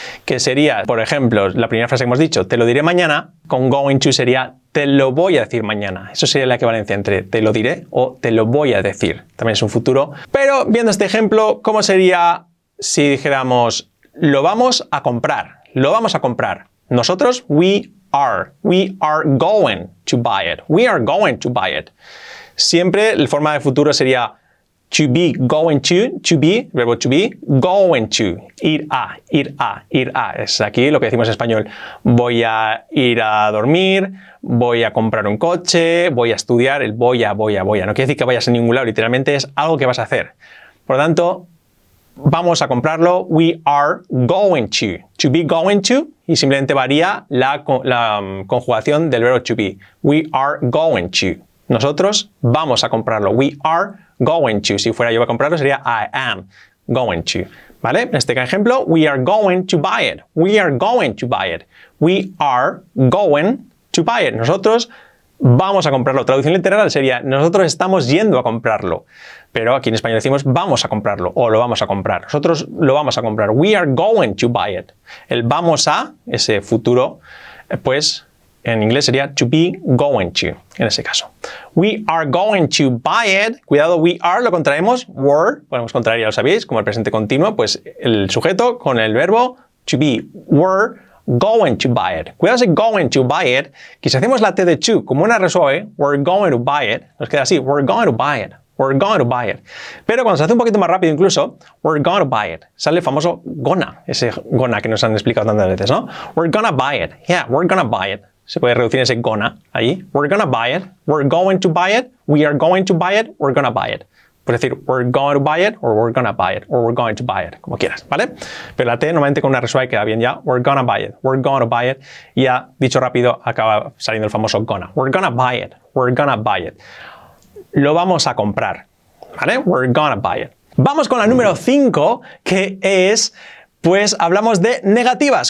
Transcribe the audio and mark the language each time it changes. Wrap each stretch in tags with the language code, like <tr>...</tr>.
<es>Que sería, por ejemplo, la primera frase que hemos dicho, te lo diré mañana, con going to sería te lo voy a decir mañana. Eso sería la equivalencia entre te lo diré o te lo voy a decir. También es un futuro. Pero viendo este ejemplo, ¿cómo sería si dijéramos lo vamos a comprar? Lo vamos a comprar.</es> <en>Nosotros, we are going to buy it. We are going to buy it.</en> <es>Siempre la forma de futuro sería</es> <en>to be going to be, verbo to be, going to, ir a.</en> <es>Es aquí lo que decimos en español. Voy a ir a dormir, voy a comprar un coche, voy a estudiar, el voy a. No quiere decir que vayas a ningún lado, literalmente es algo que vas a hacer. Por lo tanto, vamos a comprarlo,</es> <en>we are going to.</en> <es>To be going to, y simplemente varía la conjugación del verbo to be.</es> <en>We are going to.</en> <es>Nosotros vamos a comprarlo.</es> <en>We are going to.</en> <es>Si fuera yo a comprarlo, sería</es> <en>I am going to. ¿Vale?</en> <es>En este ejemplo,</es> <en>we are going to buy it. We are going to buy it. We are going to buy it.</en> <es>Nosotros vamos a comprarlo. Traducción literal sería, nosotros estamos yendo a comprarlo. Pero aquí en español decimos, vamos a comprarlo o lo vamos a comprar. Nosotros lo vamos a comprar.</es> <en>We are going to buy it.</en> <es>El vamos a, ese futuro, pues en inglés sería to be going to, en ese caso.</es> <en>We are going to buy it.</en> <es>Cuidado,</es> <en>we are,</en> <es>lo contraemos. Were, ponemos contraer, ya lo sabéis, como el presente continuo, pues el sujeto con el verbo to be.</es> <en>Were going to buy it.</en> <es>Cuidado ese</es> <en>going to buy it,</en> <es>que si hacemos la T de</es> <en>to,</en> <es>como una resuave,</es> <en>we're going to buy it,</en> <es>nos queda así,</es> <en>we're going to buy it, we're going to buy it.</en> <es>Pero cuando se hace un poquito más rápido incluso,</es> <en>we're going to buy it,</en> <es>sale el famoso gonna, ese gonna que nos han explicado tantas veces, ¿no?</es> <en>We're gonna buy it, yeah, we're gonna buy it.</en> <es>Se puede reducir ese gonna ahí.</es> <en>We're gonna buy it. We're going to buy it. We are going to buy it. We're gonna buy it.</en> <es>Puedes decir,</es> <en>we're going to buy it, or we're gonna buy it, or we're going to buy it,</en> <es>como quieras, ¿vale? Pero la T normalmente con una resuave queda bien ya.</es> <en>We're gonna buy it. We're going to buy it.</en> <es>Y ya, dicho rápido, acaba saliendo el famoso gonna.</es> <en>We're gonna buy it. We're gonna buy it.</en> <es>Lo vamos a comprar, ¿vale?</es> <en>We're gonna buy it.</en> <es>Vamos con la número 5, que es, pues hablamos de negativas.</es>